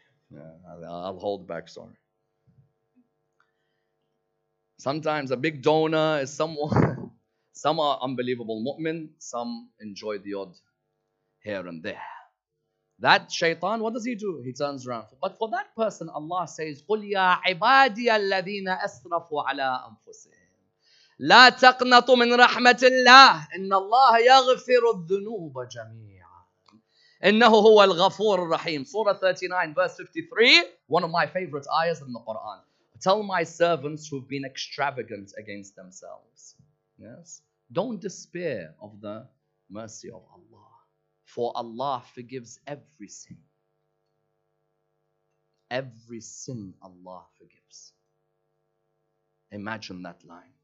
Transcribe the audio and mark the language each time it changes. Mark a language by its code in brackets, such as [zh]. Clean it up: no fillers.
[en] Yeah, I'll hold back, sorry. Sometimes a big donor is someone, some are unbelievable mu'min, some enjoy the odd here and there. That Shaytan, what does he do? He turns around. [ar] But for that person, Allah says, قُلْ يَا عِبَادِيَ الَّذِينَ أَسْرَفُوا عَلَىٰ أَنفُسِهِمْ لَا تَقْنَطُ مِنْ رَحْمَةِ اللَّهِ إِنَّ اللَّهَ يَغْفِرُ الذُّنُوبَ جَمِيعًا إِنَّهُ هُوَ الْغَفُورُ الرَّحِيمُ [en] Surah 39, verse 53, one of my favorite ayahs in the Quran. Tell my servants who've been extravagant against themselves. Yes? Don't despair of the mercy of Allah. For Allah forgives every sin. Every sin Allah forgives. Imagine that line.